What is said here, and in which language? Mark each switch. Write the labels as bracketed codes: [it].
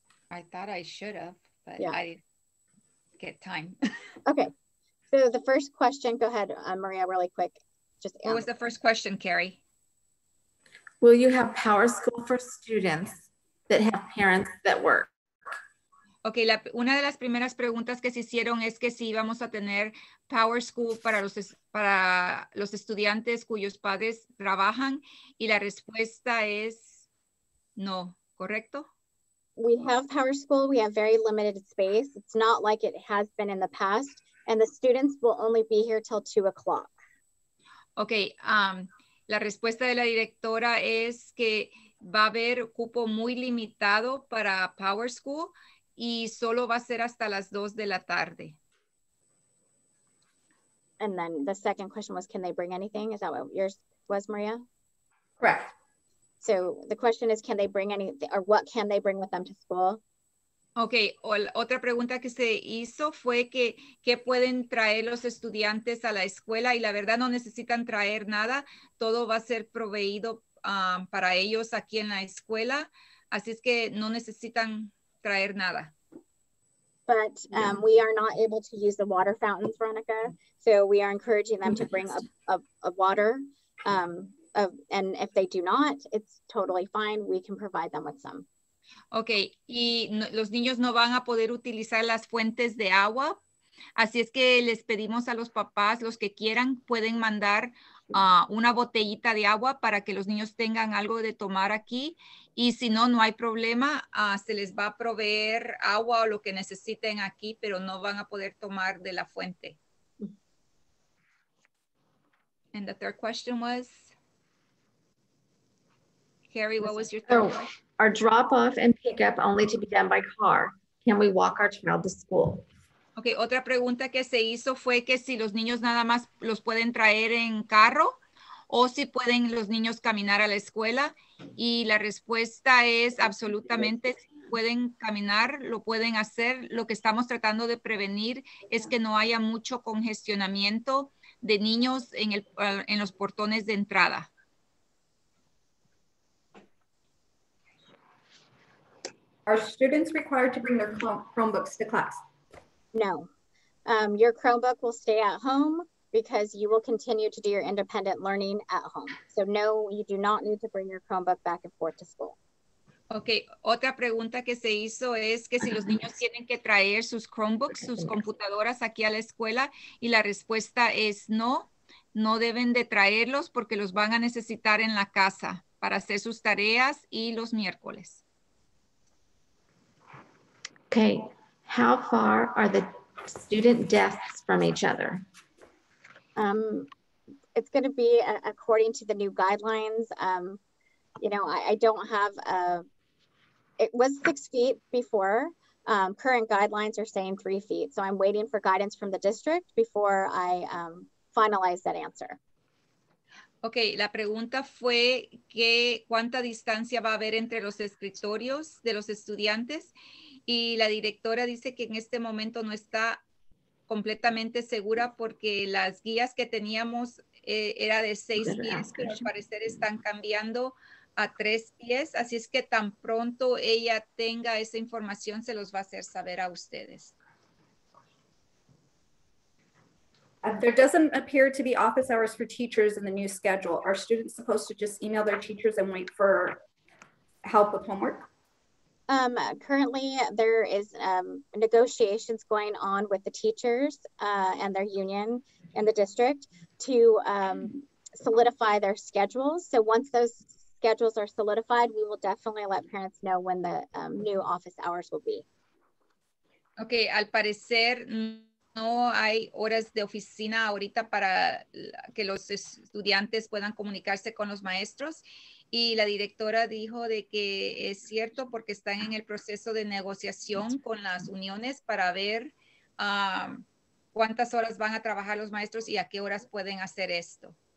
[en] I thought I should have, but yeah. I didn't get time. Okay, so the first question, go ahead, Maria, really quick. Just what was the first question, Carrie? Will you have power school for students that have parents that work? [es] Okay, una de las primeras preguntas que se hicieron es que si vamos a tener power school para los estudiantes cuyos padres trabajan, y la respuesta es no, ¿correcto? [en] We have power school, we have very limited space. It's not like it has been in the past, and the students will only be here till 2:00. [es] Okay, la respuesta de la directora es que va a haber cupo muy limitado para power school, y solo va a ser hasta las 2:00 p.m. [en] And then the second question was, can they bring anything? Is that what yours was, Maria? Correct. So the question is, can they bring anything, or what can they bring with them to school? [es] Okay, otra pregunta que se hizo fue que, ¿qué pueden traer los estudiantes a la escuela? Y la verdad no necesitan traer nada, todo va a ser proveído para ellos aquí en la escuela, así es que no necesitan traer nada. [en] But we are not able to use the water fountains, Veronica, so we are encouraging them to bring a water, and if they do not, it's totally fine, we can provide them with some. [es] Okay, y los niños no van a poder utilizar las fuentes de agua, así es que les pedimos a los papás, los que quieran, pueden mandar una botellita de agua para que los niños tengan algo de tomar aquí, y si no, no hay problema, se les va a proveer agua o lo que necesiten aquí, pero no van a poder tomar de la fuente. [en] And the third question was, Carrie, what was your third question? Our drop-off and pick-up only to be done by car. Can we walk our child to school? [es] Okay, otra pregunta que se hizo fue que si los niños nada más los pueden traer en carro o si pueden los niños caminar a la escuela. Y la respuesta es absolutamente, si pueden caminar, lo pueden hacer. Lo que estamos tratando de prevenir es que no haya mucho congestionamiento de niños en los portones de entrada. [en] Are students required to bring their Chromebooks to class? No. Your Chromebook will stay at home because you will continue to do your independent learning at home. So no, you do not need to bring your Chromebook back and forth to school. [es] Okay, otra pregunta que se hizo es que si los niños tienen que traer sus Chromebooks, sus computadoras aquí a la escuela, y la respuesta es no, no deben de traerlos porque los van a necesitar en la casa para hacer sus tareas y los miércoles. [en] Okay, how far are the student desks from each other? It's gonna be according to the new guidelines. I don't have it was 6 feet before. Current guidelines are saying 3 feet. So I'm waiting for guidance from the district before I finalize that answer. [es] Okay, la pregunta fue que cuánta distancia va a haber entre los escritorios de los estudiantes. Y la directora dice que en este momento no está completamente segura porque las guías que teníamos era de 6 pies, pero al parecer están cambiando a 3 pies. Así es que tan pronto ella tenga esa información, se los va a hacer saber a ustedes. [en] There doesn't appear to be office hours for teachers in the new schedule. Are students supposed to just email their teachers and wait for help with homework? Currently, there is negotiations going on with the teachers and their union in the district to solidify their schedules. So once those schedules are solidified, we will definitely let parents know when the new office hours will be. [es] Okay, al parecer no hay horas de oficina ahorita para que los estudiantes puedan comunicarse con los maestros. Y la directora dijo de que es cierto porque están en el proceso de negociación con las uniones para ver cuántas horas van a trabajar los maestros y a qué horas pueden hacer esto.